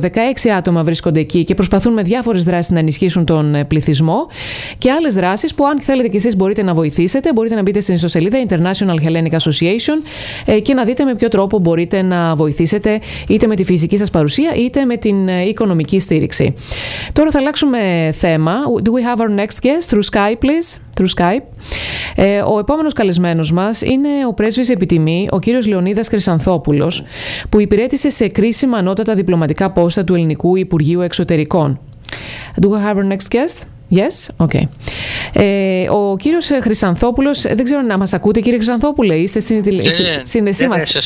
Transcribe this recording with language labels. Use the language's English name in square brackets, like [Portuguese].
[Greek] 16 άτομα βρίσκονται εκεί και προσπαθούν με διάφορες δράσεις να ενισχύσουν τον πληθυσμό. Και άλλες δράσεις που, αν θέλετε κι εσείς, μπορείτε να βοηθήσετε, μπορείτε να μπείτε στην ιστοσελίδα International Hellenic Association και να δείτε με ποιο τρόπο μπορείτε να βοηθήσετε, είτε με τη φυσική σας παρουσία, είτε με την οικονομική στήριξη. Τώρα θα αλλάξουμε θέμα. [English] Do we have our next guest through Skype, please? Through Skype. [Greek] Ο επόμενος καλεσμένος μας είναι ο πρέσβης επί τιμή, ο κύριος Λεωνίδας Χρυσανθόπουλος, που υπηρέτησε σε κρίσιμα ανώτατα διπλωματικά πόστα του Ελληνικού Υπουργείου Εξωτερικών. [English] Do we have our next guest? Yes, okay. [Greek] Ο κύριος Χρυσανθόπουλος, δεν ξέρω να μας ακούτε, κύριε Χρυσανθόπουλε, είστε στην σύνδεσή μας.